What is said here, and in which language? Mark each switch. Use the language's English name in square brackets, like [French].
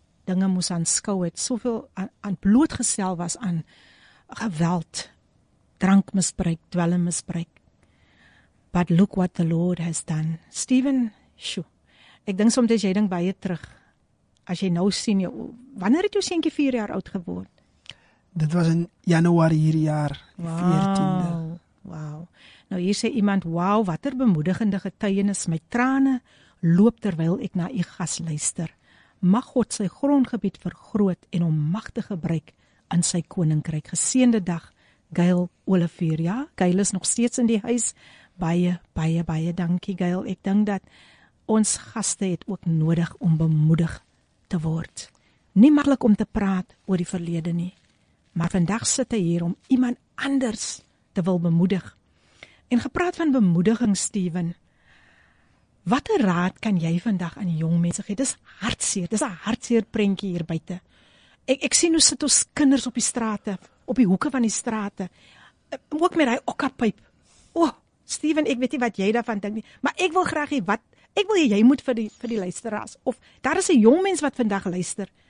[Afrikaans] dinge moes aanskou het, soveel aan blootgestel was aan geweld, drankmisbruik, dwelmmisbruik. [English] But look what the Lord has done. [Afrikaans] Stephen, shoo. Ek dink soms jy dink baie terug. As jy nou sien, wanneer het jou seentjie 4 jaar oud geword? Dit was in Januarie hierdie jaar, wow, 14de. Wow. Nou hier sê iemand, wow, watter bemoedigende getuienis. My trane loop terwyl ek na u gas luister. Mag God sy grondgebied vergroot en hom magtig gebruik in sy koninkryk. Geseënde dag, Gail Olivier. Ja, Gail is nog steeds in die huis. Baie, baie, baie dankie, Gail. Ek dink dat ons gaste het ook nodig om bemoedig te word. Nie maklik om te praat oor die verlede nie. Maar vandag sit hy hier om iemand anders te wil bemoedig. En gepraat van bemoediging, Steven. Watter raad kan jy vandag aan jong mense gee? Dis hartseer, dis 'n hartseer prentjie hier buite. Ek sien hoe sit ons kinders op die strate, op die hoeke van die strate. Ook met daai okkapyp. O, Steven, ek weet nie wat jy daarvan dink nie, maar ek wil graag hê wat ek wil jy moet vir die luisteraars of daar is 'n jong mens wat vandag luister.